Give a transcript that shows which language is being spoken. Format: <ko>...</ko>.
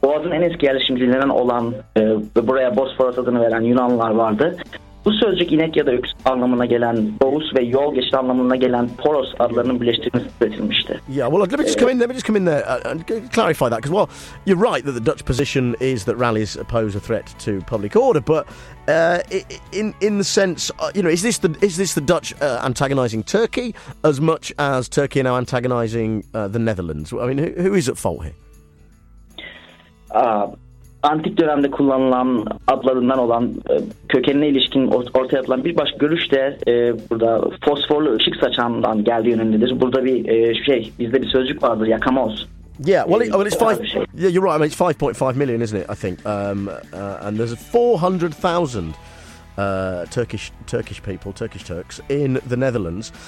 <tr>Boğaz'ın en eski yerleşimcilerinden olan ve buraya Bosporus adını veren Yunanlılar vardı. Bu sözcük inek ya da öküz anlamına gelen Boğuz ve yol geçit anlamına gelen Poros adlarının birleştirilmesi üretilmişti.</tr> <en>Yeah, well, let me just come in there and clarify that. Because, well, you're right that the Dutch position is that rallies pose a threat to public order. But in the sense, you know, is this the Dutch antagonizing Turkey as much as Turkey now antagonizing the Netherlands? I mean, who is at fault here?</en> <tr>Antik dönemde kullanılan adlarından olan kökenine ilişkin ortaya atılan bir başka görüş de burada fosforlu ışık saçandan geldiği yönündedir. Burada bir şey, bizde bir sözcük vardır, yakamoz.</tr> <en>Yeah, well, you're right. I mean, it's 5.5 million, isn't it? I think, and there's 400,000 Turkish Turks in the Netherlands.</en>